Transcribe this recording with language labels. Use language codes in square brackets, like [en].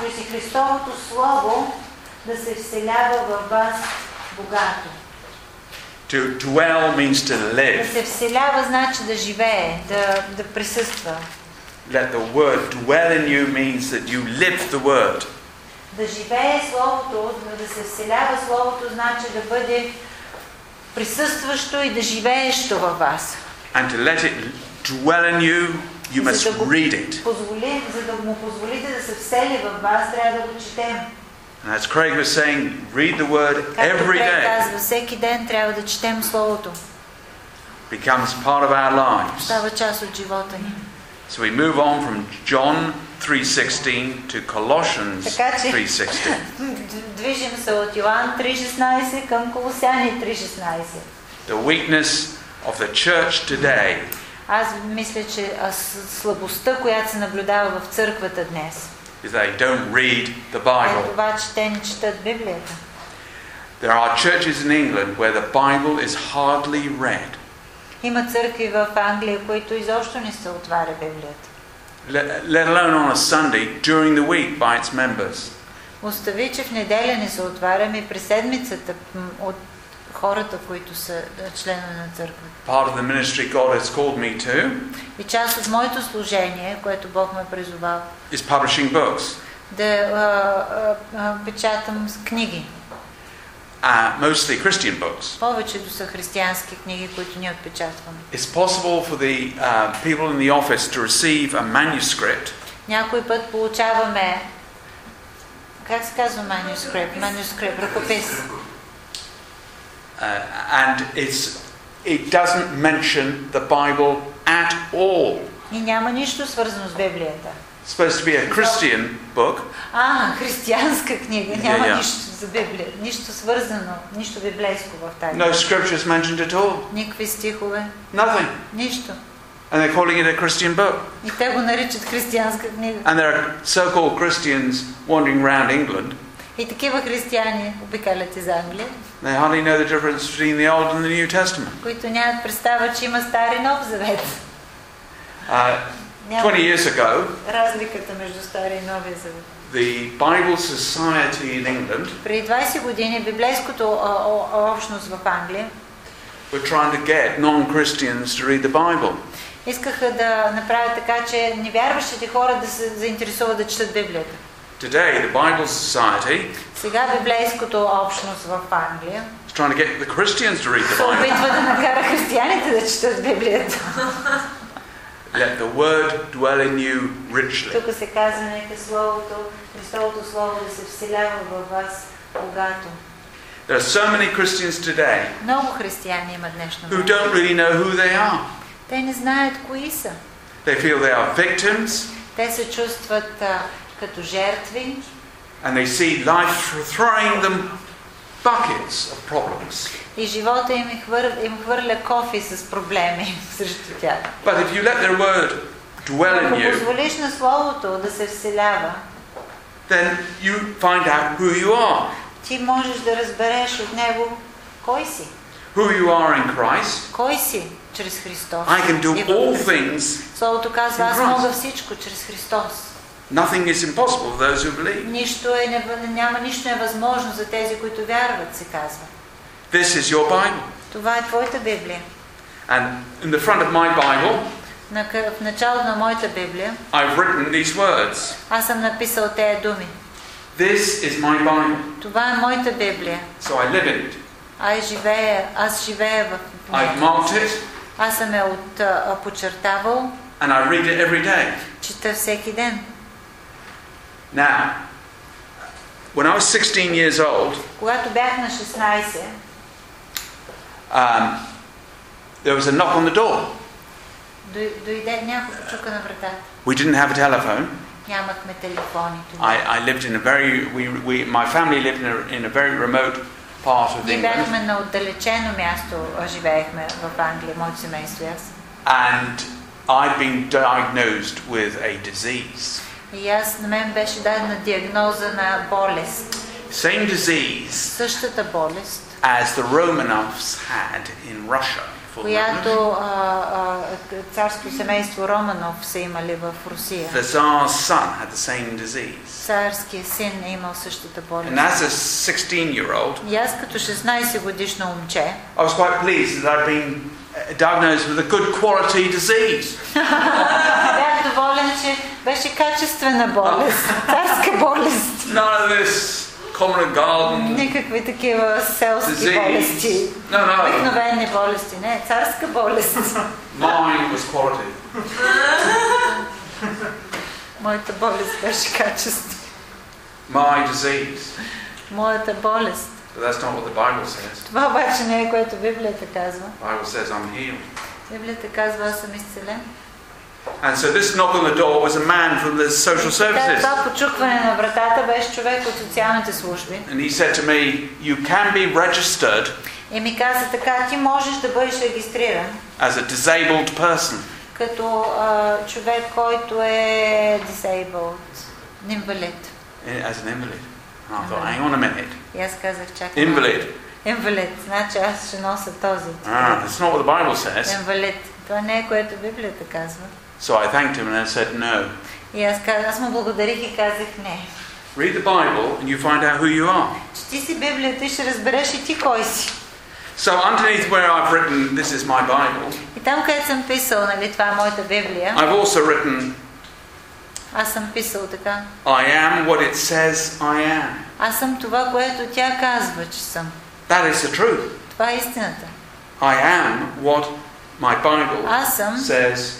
[bg] Христовото слово да се вселява в вас богато. [en] To dwell means to live. [bg] Да се вселява значи да живее, да присъства. [en] Let the word dwell in you means that you live the word. [bg] Да живее словото, да се вселява словото значи да бъде присъстващо и да живеещо във вас. [en] And to let it dwell in you, you must read it. [bg] За да му позволите да се всели във вас, трябва да го четем. [en] And as Craig was saying, read the word every day. [bg] Казва, всеки ден трябва да четем словото. [en] Becomes part of our lives. [bg] Става част от живота ни. [en] So we move on from John 3:16 to Colossians 3:16. [bg] Движим се от Йоан 3:16 към Колосяни 3:16. [en] The weakness of the church today. [bg] Аз мисля, че слабостта, която се наблюдава в църквата днес. [en] Is they don't read the Bible. [bg] Това, че те не четат Библията. [en] There are churches in England where the Bible is hardly read. [bg] Има църкви в Англия, които изобщо не се отваря Библията. [en] Let alone on a Sunday during the week by its members. [bg] Остави, че в неделя не се отваряме през седмицата от хората, които са членове на църквата. [en] Part of the ministry God has called me to. [bg] И част от моето служение, което Бог ме призовал. [en] Is publishing books. [bg] Да печатам книги. [en] Mostly Christian books. [bg] Повечето са християнски книги, които ние отпечатваме. [en] It's possible for the people in the office to receive a manuscript. [bg] Някой път получаваме, как се казва манускрипт? Манускрипт, ръкопис. [en] And it doesn't mention the Bible at all. [bg] И няма нищо свързано с Библията. [en] Supposed to be a Christian book. [bg] Християнска книга, няма нищо за Библия, нищо свързано, нищо библейско в тази. [en] No scriptures mentioned at all. [bg] Никакви стихове. [en] Nothing. [bg] Нищо. [en] And they're calling it a Christian book. [bg] И те го наричат християнска книга. [en] And there are so-called Christians wandering around England. [bg] И такива християни обикалят из Англия. [en] They hardly know the difference between the Old and the New Testament. [bg] Които нямат представа, че има Стар и Нов Завет. [en] 20 years ago, [bg] разликата между Стария и Новия Завет. [en] The Bible Society in England. [bg] При 20 години библейското общност в Англия. [en] Were trying to get non-Christians to read the Bible. [bg] Искаха да направят така, че невярващите хора да се заинтересуват да четат Библията. [en] Today, the Bible Society. [bg] Сега библейското общност в Англия. [en] Is trying to get the Christians to read the Bible. [bg] Опитва да накара християните да четат Библията. [en] Let the word dwell in you richly. [bg] Тук се казва, нека словото, Христовото слово да се вселява във вас богато. [en] There are so many Christians today. [bg] Много християни има днешно. [en] Who don't really know who they are. [bg] Те не знаят кои са. [en] They feel they are victims. [bg] Те се чувстват като жертви. [en] And they see life throwing them buckets of problems. [bg] И живота им хвърля кофи с проблеми срещу тях. [en] But if you let their word dwell in you, [bg] ако позволиш на словото да се вселява, [en] then you find out who you are. [bg] Ти можеш да разбереш от него кой си. [en] Who you are in Christ? [bg] Кой си чрез Христос? [en] I can do all things. [bg] Словото казва, аз мога всичко чрез Христос. [en] Nothing is impossible for those who believe. [bg] Нищо е няма нищо е възможно за тези, които вярват, се казва. [en] This is your Bible. [bg] Това е твоята Библия. [en] And in the front of my Bible. [bg] В началото на моята Библия. [en] I've written these words. [bg] Аз съм написал тези думи. [en] This is my Bible. [bg] Това е моята Библия. [en] So I live it. [bg] Аз живея в нея. [en] I've marked it. [bg] Аз съм я подчертавал. [en] And I read it every day. [bg] Чета всеки ден. [en] Now, when I was 16 years old, [bg] когато бях на 16, [en] there was a knock on the door. [bg] Дойде някой почука на вратата. [en] We didn't have a telephone. [bg] Нямахме телефони. [en] I lived in a very my family lived in a very remote part of England. [bg] Бяхме на отдалечено място, живеехме в Англия, моето семейство и аз. [en] And I'd been diagnosed with a disease. [bg] И аз на мен беше дадена диагноза на болест. [en] Same disease. [bg] Същата болест. [en] As the Romanovs had in Russia. [bg] която царско семейство Романов са имали в Русия. [en] The Tsar's son had the same disease. [bg] Царският син е имал същата болест. [en] And as a 16-year-old, [bg] и аз като 16-годишно момче, [en] I was quite pleased that I'd been diagnosed with a good quality disease. [bg] Бях доволен, че беше качествена болест, царска болест. [en] None of this common garden. [bg] Никакви такива селски болести. [en] No, no. [bg] Обикновени болести, не, царска болест. [en] Mine was quality. [bg] Моята болест беше качество. [en] My disease. [bg] Моята болест. [en] But that's not what the Bible says. [bg] Това обаче не е което Библията казва. [en] Bible says I'm healed. [bg] Библията казва аз съм изцелен. [en] And so this knock on the door was a man from the social services. [bg] Това почукване на вратата беше човек от социалните служби. [en] And he said to me, "You can be registered." [bg] И ми каза така, ти можеш да бъдеш регистриран. [en] As a disabled person. [bg] Като човек, който е disabled, инвалид. [en] As an invalid. And I thought, hang on a minute. [bg] И аз казах, чакай. [en] Invalid. [bg] Invalid. Значи аз ще нося този. [en] That's not what the Bible says. Invalid. [bg] Това не е което Библията казва. [en] So I thanked him and I said no. [bg] И аз му благодарих и казах не. [en] Read the Bible and you find out who you are. [bg] Чети си Библията и ще разбереш и ти кой си. [en] So underneath where I've written this is my Bible. [bg] И там където съм писал, нали, това е моята Библия. [en] I've also written. [bg] Аз съм писал така. [en] I am what it says I am. [bg] Аз съм това, което тя казва, че съм. [en] That is the truth. [bg] Това е истината. [en] I am what my Bible says.